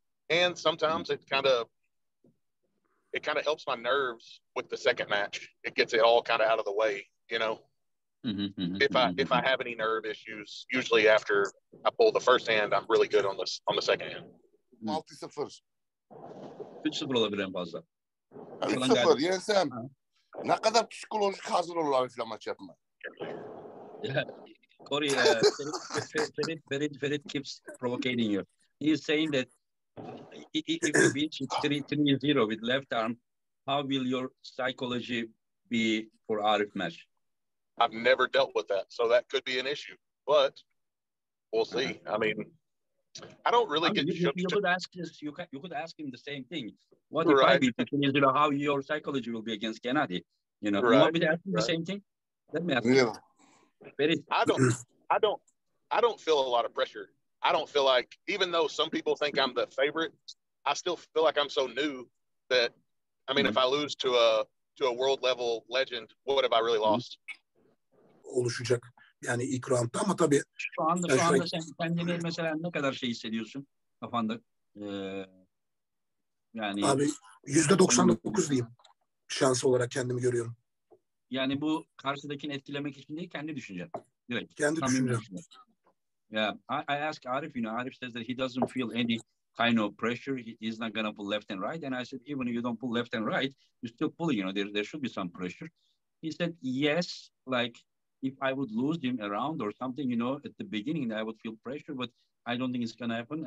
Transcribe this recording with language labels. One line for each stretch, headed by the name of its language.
English: And sometimes it kind of helps my nerves with the second match. It gets it all kind of out of the way, you know. If I have any nerve issues, usually after I pull the first hand, I'm really good on the second hand.
Turkish: Ne kadar psikolojik hazır olur Arif'le maç yapma.
English: Corey, Ferit keeps provoking you. He's saying that if you beat 3-0 with left arm, how will your psychology be for Arif match? I've never dealt with that, so that could be an issue. But we'll see. I mean, I don't really You could ask him the same thing. What if I beat 3-0, how your psychology will be against Gennady? You know, you want me to ask the same thing? Let me ask. I don't feel a lot of pressure. I don't feel like, even though some people think I'm the favorite, I still feel like I'm so new that, I mean, if I lose to a world level legend, what have I really lost?
Turkish: Oluşacak. Yani ilk round ama tabii. Şu anda sen kendini mesela ne kadar şey hissediyorsun kafanda? Yani. Abi %99 diyeyim. Şansı olarak kendimi görüyorum. Yani bu karşıdakini etkilemek için değil, kendi düşüncen. Direkt. Kendi düşüncem.
English: Yeah, I ask Arif, you know, Arif says that he doesn't feel any kind of pressure. He's not going to pull left and right. And I said, even if you don't pull left and right, you still pull, you know, there should be some pressure. He said, yes, like if I would lose him around or something, you know, at the beginning, I would feel pressure, but I don't think it's going to happen.